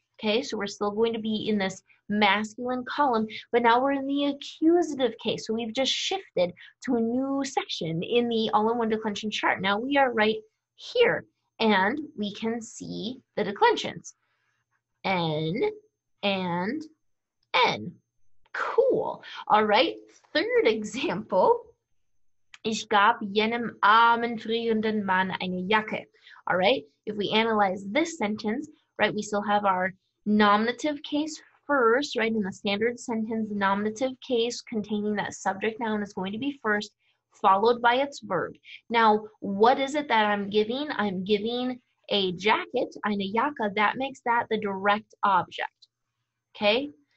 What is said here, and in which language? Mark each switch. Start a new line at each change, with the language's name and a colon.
English: Okay, so we're still going to be in this masculine column, but now we're in the accusative case. So we've just shifted to a new section in the all-in-one declension chart. Now we are right here and we can see the declensions. N and N. Cool. All right, third example.
German: Ich gab jenem armen frierenden Mann eine Jacke.
English: All right, if we analyze this sentence, right, we still have our nominative case first, right, in the standard sentence, the nominative case containing that subject noun is going to be first, followed by its verb. Now, what is it that I'm giving? I'm giving a jacket,
German: eine Jacke,
English: that makes that the direct object, okay?